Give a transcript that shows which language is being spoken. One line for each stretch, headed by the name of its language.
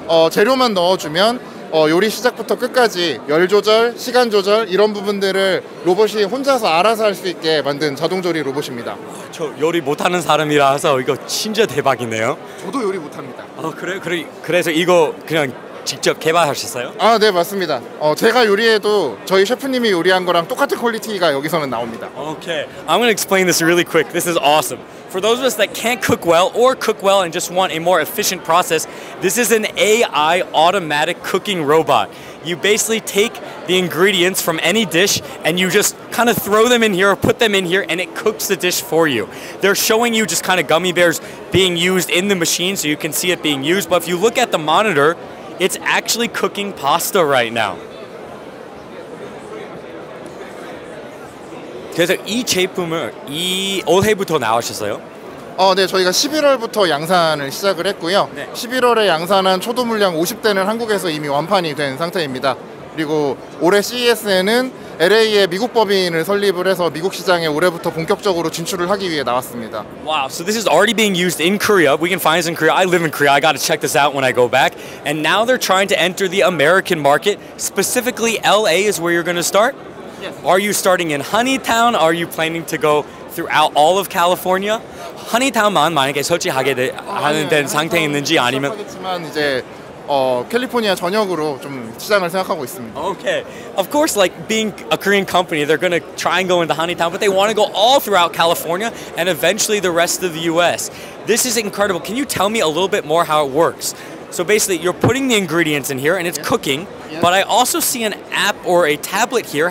Korean: 재료만 넣어주면 요리 시작부터 끝까지 열 조절, 시간 조절 이런 부분들을 로봇이 혼자서 알아서 할 수 있게 만든 자동 조리 로봇입니다. 저 요리 못하는 사람이라서 이거 진짜 대박이네요. 저도 요리 못합니다. 그래서 이거 그냥 직접 개발하셨어요? 아, 네, 맞습니다. 제가 요리해도 저희 셰프님이 요리한 거랑 똑같은 퀄리티가 여기서는 나옵니다.
English: Okay, I'm gonna explain this really quick. This is awesome. For those of us that can't cook well or cook well and just want a more efficient process, this is an AI automatic cooking robot. You basically take the ingredients from any dish and you just kind of throw them in here or put them in here and it cooks the dish for you. They're showing you just kind of gummy bears being used in the machine so you can see it being used. But if you look at the monitor, it's actually cooking pasta right now.
Korean: 그래서 이 제품을 이 올해부터 나오셨어요? 네, 저희가 11월부터 양산을 시작을 했고요. 네. 11월에 양산한 초도 물량 50대는 한국에서 이미 완판이 된 상태입니다. 그리고 올해 CES에는 LA에 미국 법인을 설립을 해서 미국 시장에 올해부터 본격적으로 진출을 하기 위해 나왔습니다.
English: Wow, so this is already being used in Korea. We can find this in Korea. I live in Korea. I got to check this out when I go back. And now they're trying to enter the American market. Specifically, LA is where you're going to start. Yes. Are you starting in Honeytown? Are you planning to go throughout all of California?
Korean: Honeytown만 만약에 설치하게 하는 된 상태 있는지 아니면 하겠지만 이제 캘리포니아 전역으로 좀 시장을 생각하고 있습니다.
English: Okay. Of course, like being a Korean company, they're going to try and go into Honeytown, but they want to go all throughout California and eventually the rest of the US. This is incredible. Can you tell me a little bit more how it works? So basically, you're putting the ingredients in here and it's cooking. Yes. But I also see an app or a tablet here.